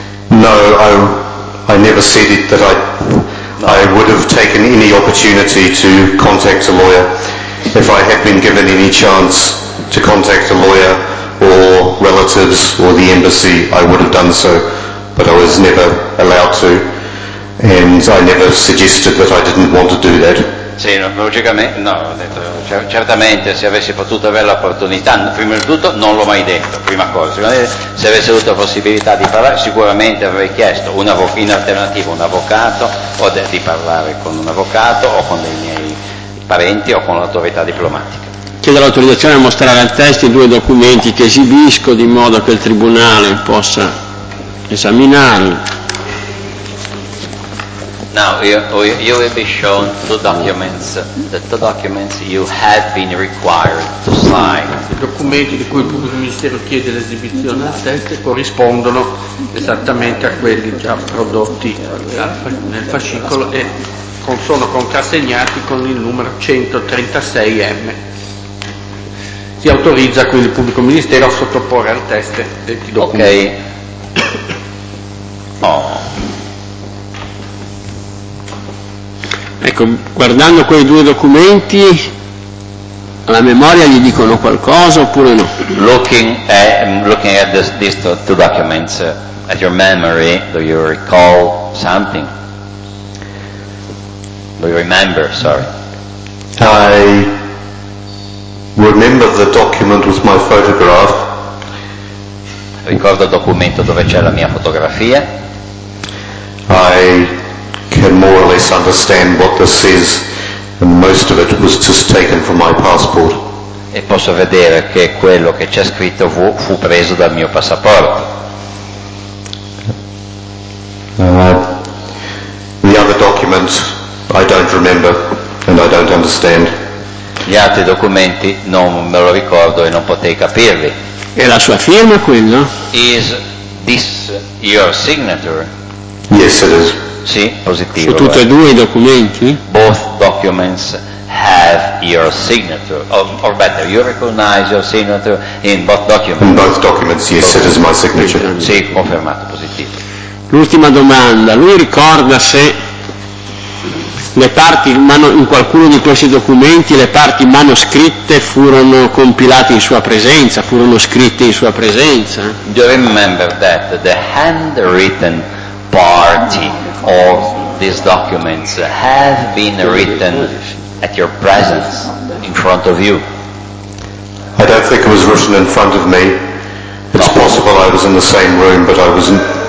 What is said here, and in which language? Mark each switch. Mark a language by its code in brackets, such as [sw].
[en] No, I never said it that I would have taken any opportunity to contact a lawyer. If I had been given any chance to contact a lawyer, or relatives, or the embassy, I would have done so, but I was never allowed to, and I never suggested that I didn't want to do that. [it] Sì, logicamente, no, ho detto, certamente se avessi potuto avere l'opportunità, prima di tutto non l'ho mai detto, prima cosa, se avessi avuto la possibilità di parlare sicuramente avrei chiesto in alternativa un avvocato, o di parlare con un avvocato, o con dei miei parenti, o con l'autorità diplomatica. Chiedo l'autorizzazione a mostrare al testo i due documenti che esibisco di modo che il tribunale possa esaminarli. [en] Now you will be shown the two documents you had been required to sign. [it] I documenti di cui il pubblico ministero chiede l'esibizione al testo corrispondono esattamente a quelli già prodotti nel fascicolo e sono contrassegnati con il numero 136M. Si autorizza quindi il pubblico ministero a sottoporre al test i documenti. Ok. Oh. Ecco, guardando quei due documenti, alla memoria gli dicono qualcosa oppure no? [en] Looking at these two documents, at your memory, do you recall something? Do you remember? Sorry. I remember the document with my photograph. [it] Ricordo il documento dove c'è la mia fotografia. [en] I can more or less understand what this is, and most of it was just taken from my passport. [it] E posso vedere che quello che c'è scritto fu preso dal mio passaporto. [en] The other documents I don't remember and I don't understand. [it] Gli altri documenti non me lo ricordo e non potei capirli. E la sua firma quella? [en] Is this your signature? Yes, it is. [it] Sì, positivo. Su tutti e due i documenti? [en] Both documents have your signature, or better, you recognize your signature in both documents. In both documents, yes, both it is my signature. [it] Sì, confermato, positivo. L'ultima domanda, lui ricorda se le parti in qualcuno di questi documenti le parti manoscritte furono compilate in sua presenza, furono scritte in sua presenza? [en] Do you remember that the handwritten part of these documents have been written at your presence, in front of you? I don't think it was written in front of me. It's possible I was in the same room, but I wasn't.